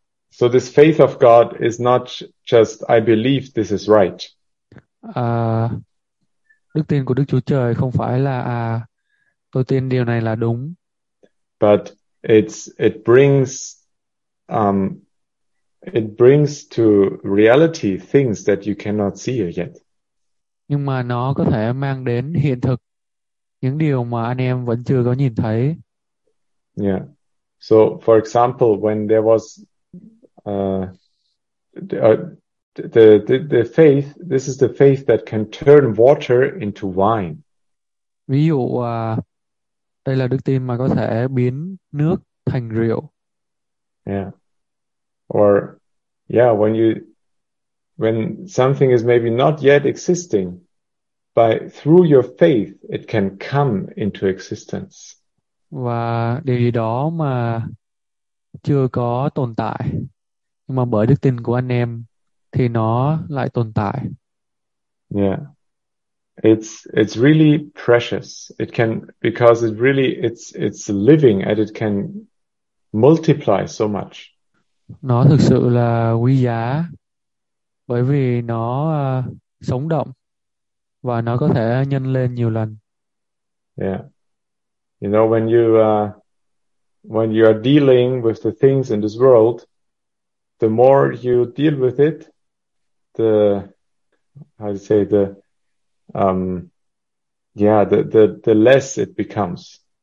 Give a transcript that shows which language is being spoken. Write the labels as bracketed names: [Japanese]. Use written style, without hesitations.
[English] So this faith of God is not just I believe this is right. [Vietnamese] Đức tin của Đức Chúa Trời không phải là tôi tin điều này là đúng. [English] But it brings to reality things that you cannot see yet. [Vietnamese] Nhưng mà nó có thể mang đến hiện thực những điều mà anh em vẫn chưa có nhìn thấy. [English] Yeah. So, for example, when there was the faith, this is the faith that can turn water into wine. [Vietnamese] Ví dụ, đây là đức tin mà có thể biến nước thành rượu. [English] Yeah. Or, when something is maybe not yet existing, but through your faith, it can come into existence. [Vietnamese] Và điều gì đó mà chưa có tồn tại nhưng mà bởi đức tin của anh em thì nó lại tồn tại. [English] Yeah. It's really precious. It can, because it really it's living and it can multiply so much. [Vietnamese] Nó thực sự là quý giá bởi vì nó sống động và nó có thể nhân lên nhiều lần. [English] Yeah. You know, when you are dealing with the things in this world, the more you deal with it, the less it becomes.